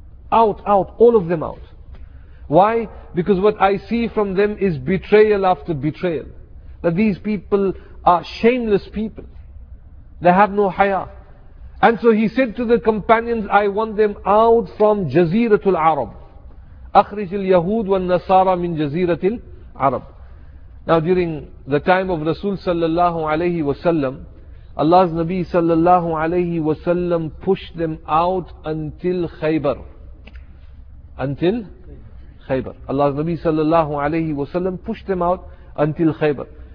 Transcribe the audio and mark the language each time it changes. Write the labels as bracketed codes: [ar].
[en] Out, out, all of them out. Why? Because what I see from them is betrayal after betrayal. That these people are shameless people. They have no haya. And so he said to the companions, I want them out from Jaziratul Arab. [ar] أخرج اليهود والنصارى من جزيرة العرب. [en] Now during the time of Rasul sallallahu alayhi wasallam, Allah's Nabi sallallahu alayhi wasallam pushed them out until Khaybar. Until Khaybar. Allah's Nabi sallallahu alayhi wasallam pushed them out until Khaybar.